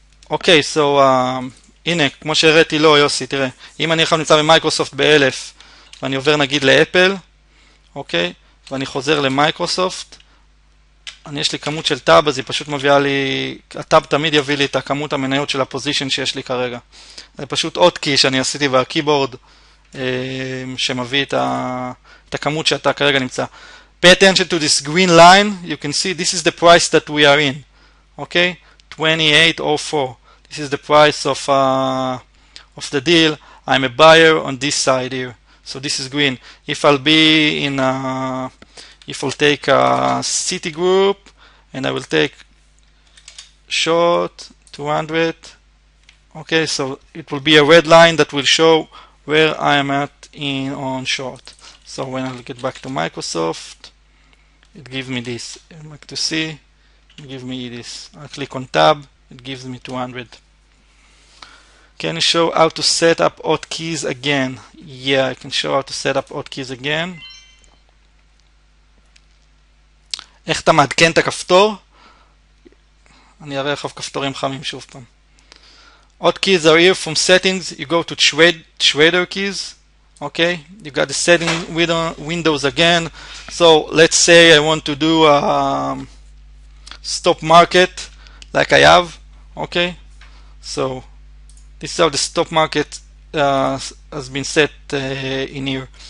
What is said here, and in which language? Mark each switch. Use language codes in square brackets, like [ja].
[he] אוקיי, so, הנה, כמו שהראיתי, לא, יוסי, תראה, אם אני עכשיו נמצא במייקרוסופט ב-1000, ואני עובר נגיד לאפל, אוקיי, ואני חוזר למייקרוסופט, אני יש לי כמות של טאב, אז היא פשוט מביאה לי, הטאב תמיד יביא לי את הכמות המניות של הפוזישן שיש לי כרגע. זה פשוט עוד קי שאני עשיתי בקייבורד, שמביא את, את הכמות שאתה כרגע נמצא. [en] Pay attention to this green line, you can see this is the price that we are in, okay? 2804, this is the price of the deal. I'm a buyer on this side here, so this is green. If I'll be in, if I'll take a Citigroup and I will take short 200, okay, so it will be a red line that will show where I am at in on short. So when I'll get back to Microsoft, it gives me this. I'm like to see, it gives me this. I click on tab, it gives me 200. Can you show how to set up odd keys again? Yeah, I can show how to set up odd keys again. [he] איך אתה מעדכן את הכפתור? אני אראה לך כפתורים חמים שוב פעם. [en] Odd keys are here from settings. You go to trader keys. Okay, you got the setting windows again. So let's say I want to do a stop market like I have. Okay, so this is how the stop market has been set in here.